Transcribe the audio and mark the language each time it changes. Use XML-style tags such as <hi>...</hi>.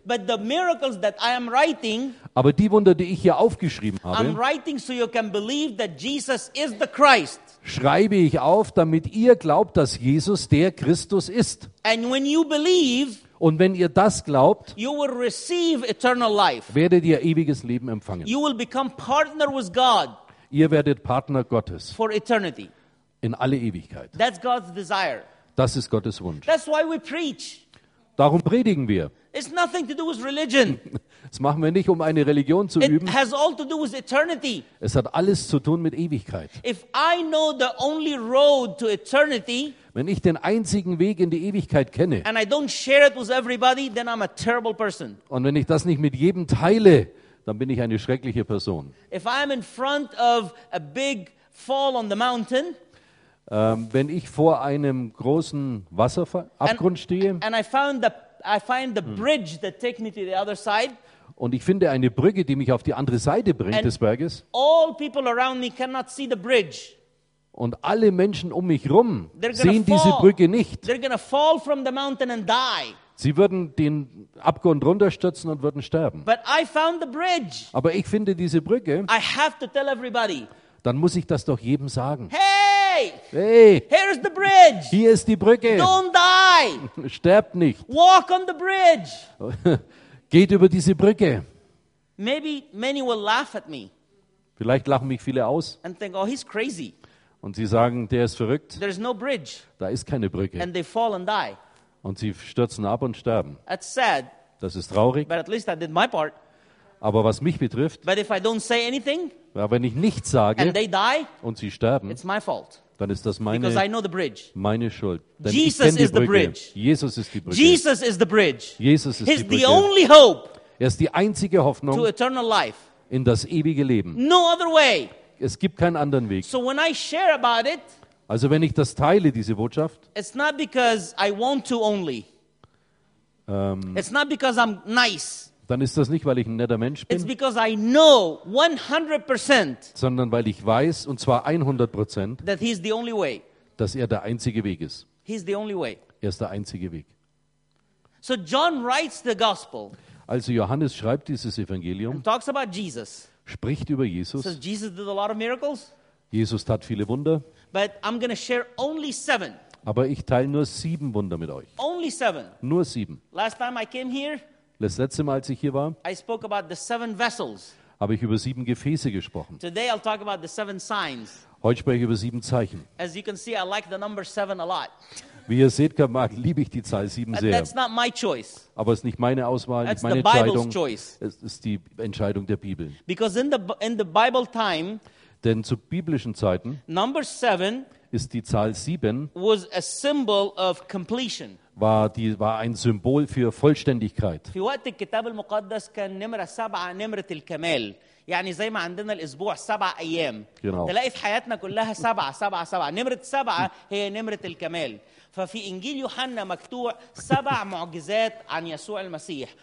<en>But the miracles that I am writing,</en> <de>aber die Wunder, die ich hier aufgeschrieben habe,</de> <en>I'm writing so you can believe that Jesus is the Christ.</en> <de>Schreibe ich auf, damit ihr glaubt, dass Jesus der Christus ist.</de> <en>And when you believe,</en> <de>und wenn ihr das glaubt,</de> <en>you will receive eternal life.</en> <de>Werdet ihr ewiges Leben empfangen.</de> <en>You will become partner with God.</en> <de>Ihr werdet Partner Gottes.</de> <en>For eternity.</en> <de>In alle Ewigkeit.</de> <en>That's God's desire.</en> <de>Das ist Gottes Wunsch.</de> <en>That's why we preach.</en> <de>Darum predigen wir.</de> <en>It's nothing to do with religion.</en> <de>Das machen wir nicht, um eine Religion zu</de> <en>it</en> <de>üben.</de> <en>Has all to do with eternity.</en> <de>Es hat alles zu tun mit Ewigkeit.</de> <en>If I know the only road to eternity,</en> <de>wenn ich den einzigen Weg in die Ewigkeit kenne,</de> <en>and I don't share it with everybody, then I'm a terrible person.</en> <de>Und wenn ich das nicht mit jedem teile, dann bin ich eine schreckliche Person.</de> <en>If I'm in front of a big fall on the mountain,</en> <de>wenn ich vor einem großen Wasserabgrund stehe,</de> <en>and I find the bridge that takes me to the other side.</en> <de>Und ich finde eine Brücke, die mich auf die andere Seite bringt des Berges.</de> <en>All people around me cannot see the bridge.</en> <de>Und alle Menschen um mich rum sehen diese Brücke nicht.</de> <en>They're gonna fall from the mountain and die.</en> <de>Sie würden den Abgrund runterstürzen und würden sterben.</de> <en>But I found the bridge.</en> <de>Aber ich finde diese Brücke.</de> <en>I have to tell everybody.</en> <de>Dann muss ich das doch jedem sagen. Hey! Hey!</de> <en>Here's the bridge.</en> <de>Hier ist die Brücke.</de> <en>Don't die.</en> <de>Sterbt nicht.</de> <en>Walk on the bridge.</en> <de>Geht über diese Brücke.</de> <en>Maybe many will laugh at me.</en> <de>Vielleicht lachen mich viele aus.</de> <en>And think, oh, he's crazy.</en> <de>Und sie sagen, der ist verrückt.</de> <en>There is no bridge.</en> <de>Da ist keine Brücke.</de> <en>And they fall and die.</en> <de>Und sie stürzen ab und sterben.</de> <en>That's sad.</en> <de>Das ist traurig.</de> <en>But at least I did my part.</en> <de>Aber was mich betrifft,</de> <en>but if I don't say anything,</en> <de>ja, wenn ich nichts sage</de> <en>and they die,</en> <de>und sie sterben,</de> <en>it's my fault.</en> <de>Dann ist das meine,</de> <en>because I know the bridge.</en> <de>Meine Schuld. Denn Jesus ich kenn die is Brücke.</de> <en>The bridge.</en> <de>Jesus ist die Brücke.</de> <en>Jesus is the bridge.</en> <de>Jesus ist</de> <en>He's</en> <de>die Brücke.</de> <en>The only hope,</en> <de>er ist die einzige Hoffnung</de> <en>to eternal life.</en> <de>In das ewige Leben.</de> <en>No other way.</en> <de>Es gibt keinen anderen Weg.</de> <en>So when I share about it,</en> <de>also wenn ich das teile, diese Botschaft,</de> <en>it's not because I want to only. It's not because I'm nice.</en> <de>Dann ist das nicht, weil ich ein netter Mensch bin.</de> <en>It's because I know 100%,</en> <de>sondern weil ich weiß, und zwar 100%,</de> <en>that he's the only way.</en> <de>Dass er der einzige Weg ist.</de> <en>He's the only way.</en> <de>Er ist der einzige Weg.</de> <en>So John writes the gospel,</en> <de>also Johannes schreibt dieses Evangelium</de> <en>and talks about Jesus.</en> <de>Spricht über Jesus.</de> <en>So Jesus did a lot of miracles.</en> <de>Jesus tat viele Wunder.</de> <en>But I'm gonna share only 7.</en> <de>Aber ich teile nur 7 Wunder mit euch.</de> <en>Only 7.</en> <de>Nur 7.</de> <en>Last time I came here,</en> <de>das letzte Mal, als ich hier war,</de> <en>I spoke about the 7 vessels.</en> <de>Habe ich über 7 Gefäße gesprochen.</de> <en>Today I'll talk about the 7 signs.</en> <de>Heute spreche ich über 7 Zeichen.</de> <en>As you can see, I like the number 7 a lot.</en> <de>Wie ihr seht, mag, liebe ich die Zahl 7 sehr.</de> <en>That's not my choice.</en> <de>Aber es ist nicht meine Auswahl,</de> <en>that's</en> <de>nicht meine</de> <en>the Bible's</en> <de>Entscheidung.</de> <en>Choice.</en> <de>Es ist die Entscheidung der Bibel.</de> <en>Because in the Bible time,</en> <de>denn zu biblischen Zeiten,</de> <en>number 7</en> <de>ist die Zahl 7</de> <en>was a symbol of completion.</en> <de>War ein Symbol für Vollständigkeit.</de> <ar>في وقت الكتاب المقدس كان نمرة 7 نمرة الكمال. يعني زي ما عندنا الأسبوع 7 أيام.</ar> <de>Genau.</de> <ar>تلاقي في حياتنا كلها 7 7 7 نمرة 7 هي نمرة الكمال. ففي إنجيل يوحنا مكتوع 7 معجزات عن يسوع المسيح.</ar>